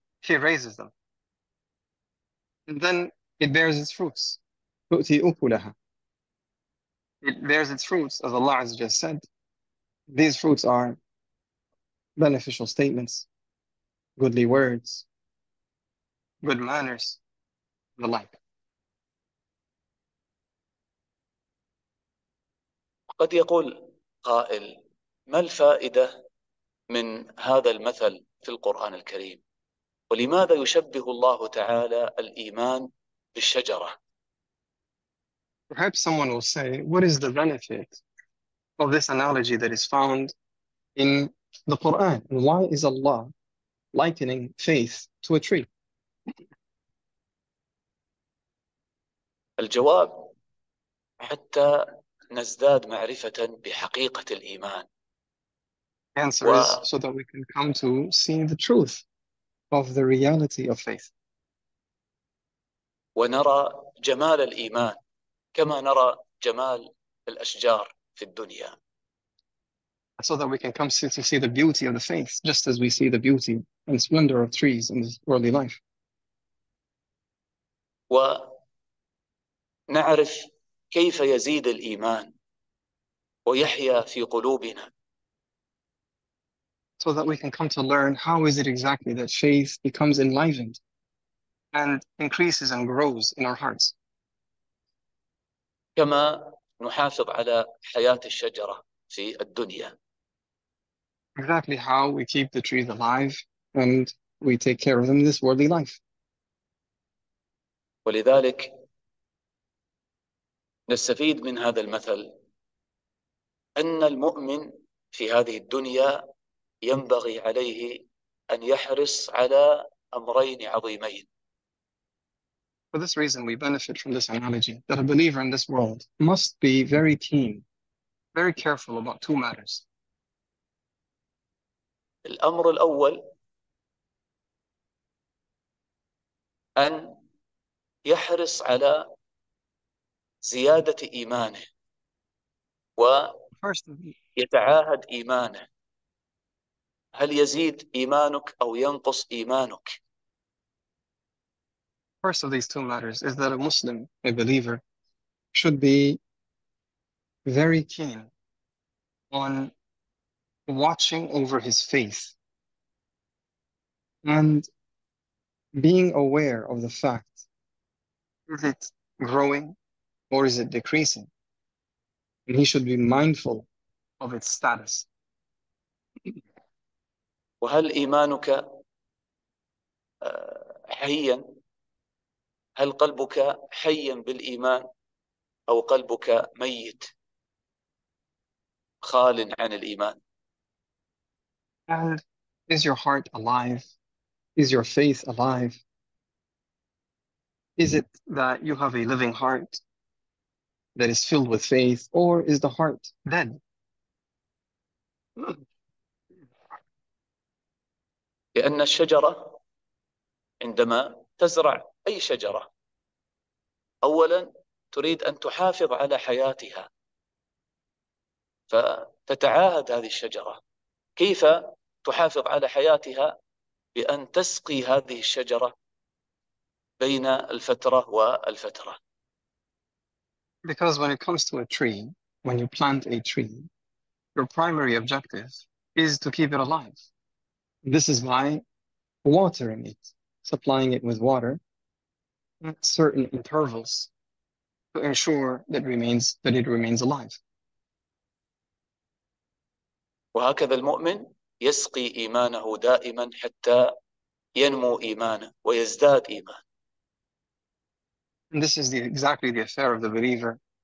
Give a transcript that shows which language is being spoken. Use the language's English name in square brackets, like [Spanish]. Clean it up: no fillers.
[English] He raises them. And then it bears its fruits. [Arabic] تُؤْتِي أُكُلَهَا. [English] It bears its fruits, as Allah has just said. These fruits are beneficial statements, goodly words, good manners, the like. [Arabic] قد يقول قائل: ما الفائدة من هذا المثل في القرآن الكريم؟ ولماذا يشبه الله تعالى الإيمان بالشجرة؟ [English] Perhaps someone will say, what is the benefit of this analogy that is found in the Quran? And why is Allah likening faith to a tree? [Arabic] الجواب: حتى نزداد معرفة بحقيقة الإيمان. [English] The answer is so that we can come to see the truth of the reality of faith. [Arabic] ونرى جمال الإيمان كما نرى جمال الأشجار في الدنيا. [English] So that we can come to see the beauty of the faith, just as we see the beauty and splendor of trees in this worldly life. [Arabic] ونعرف كيف يزيد الإيمان ويحيا في قلوبنا. [English] So that we can come to learn how is it exactly that faith becomes enlivened and increases and grows in our hearts. [Arabic] كما نحافظ على حياة الشجرة في الدنيا. [English] Exactly how we keep the trees alive and we take care of them in this worldly life. [Arabic] ولذلك نستفيد من هذا المثل أن المؤمن في هذه الدنيا ينبغي عليه أن يحرص على أمرين عظيمين. [English] For this reason, we benefit from this analogy that a believer in this world must be very keen, very careful about two matters. [Arabic] الأمر الأول أن يحرص على زيادة إيمانه ويتعاهد [English] First of all, [Arabic] إيمانه. هل يزيد إيمانك أو ينقص إيمانك؟ [English] first of these two matters is that a Muslim, a believer, should be very keen on watching over his faith and being aware of the fact, is it growing or is it decreasing? And he should be mindful of its status. [Arabic] وهل إيمانك حيا؟ هل قلبك حيا بالإيمان أو قلبك ميت خال عن الإيمان؟ [English] And is your heart alive? Is your faith alive? Is it that you have a living heart that is filled with faith, or is the heart dead? [Arabic] لأن الشجرة عندما تزرع أي شجرة أولا تريد أن تحافظ على حياتها، فتتعاهد هذه الشجرة كيف تحافظ على حياتها بأن تسقي هذه الشجرة بين الفترة والفترة. [English] Because when it comes to a tree, when you plant a tree, your primary objective is to keep it alive. This is by watering it, supplying it with water at certain intervals to ensure that it remains alive. [Arabic] وهكذا المؤمن يسقي إيمانه دائما حتى ينمو إيمانه ويزداد إيمانه. [English] And this is exactly the affair of the believer.